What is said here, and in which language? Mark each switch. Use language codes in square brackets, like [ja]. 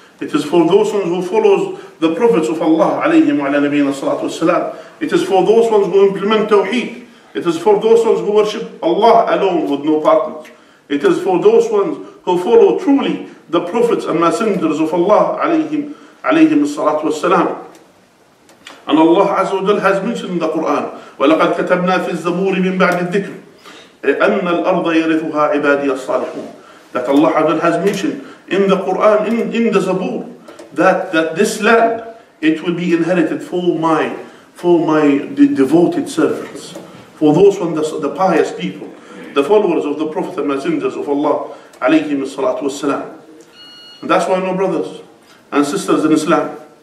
[en] It is for those ones who follow the prophets of Allah alayhim wa ala nabiyyina salatu wa salam. It is for those ones who implement Tawheed. It is for those ones who worship Allah alone with no partners. It is for those ones who follow truly the prophets and messengers of Allah alayhim as-salatu was-salam. And Allah Azza wa Jalla has mentioned in the Quran, [ar] وَلَقَدْ كَتَبْنَا فِي الزَّبُورِ مِنْ بَعْدِ الذِّكْرِ أَنَّ الْأَرْضَ يَرِثُهَا عِبَادِيَ الصَّالِحُونَ. [en] That Allah Azza wa Jalla has mentioned in the Quran, in the Zabur, that this land, it will be inherited for my devoted servants. For those ones, the pious people, the followers of the Prophet and messengers of Allah, alayhim as-salatu was-salam. And that's why, my brothers and sisters in Islam,